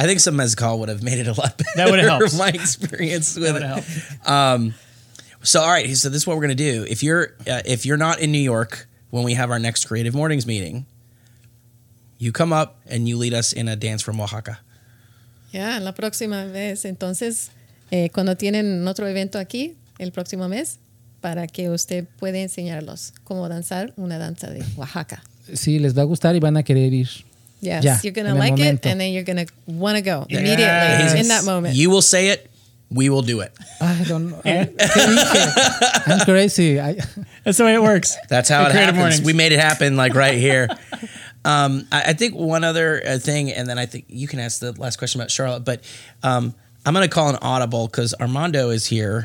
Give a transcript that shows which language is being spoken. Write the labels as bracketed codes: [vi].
[en] I think some mezcal would have made it a lot better. That would have helped. My experience with that it. Helped. So, all right. So this is what we're going to do. If you're not in New York when we have our next Creative Mornings meeting, You come up and you lead us in a dance from Oaxaca. [es] Yeah, la próxima vez. Entonces, cuando tienen otro evento aquí, el próximo mes, para que usted pueda enseñarlos cómo danzar una danza de Oaxaca. Sí, les va a gustar y van a querer ir. [en] Yes, yeah, you're going to like it, and then you're going to want to go immediately in that moment. You will say it, we will do it. I don't know. I'm crazy. That's the way it works. That's how it happens. Mornings. We made it happen, like, right here. I think one other thing, and then I think you can ask the last question about Charlotte, but I'm going to call an audible because Armando is here.